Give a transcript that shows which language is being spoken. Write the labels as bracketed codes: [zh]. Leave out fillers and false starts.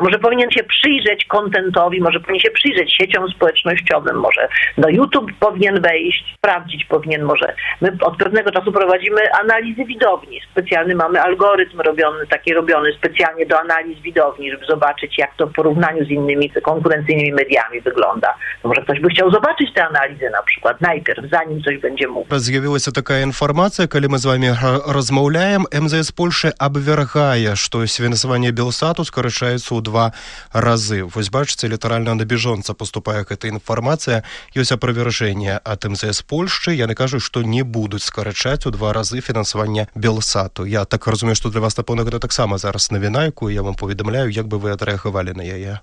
[pl] Może powinien się przyjrzeć kontentowi, może powinien się przyjrzeć sieciom społecznościowym, może do YouTube powinien wejść, sprawdzić powinien może. My od pewnego czasu prowadzimy analizy widowni. Specjalny mamy algorytm robiony specjalnie do analiz widowni, żeby zobaczyć, jak to w porównaniu z innymi konkurencyjnymi mediami wygląda. To może ktoś by chciał zobaczyć te analizy na przykład najpierw, zanim coś będzie mógł. Zjawiła się taka informacja, kiedy my z wami rozmawiamy, [uk] МЗС Польши обвергає, що фінансування Білсату скорочається у 2 рази. Ось бачите, літерально на біжонця поступає ця інформація, є ось опровірження від МЗС Польщі. Я не кажу, що не будуть скорочати у 2 рази фінансування Білсату. Я так розумію, що для вас, напевно, це так само зараз новина, яку я вам повідомляю, як би ви відреагували на її.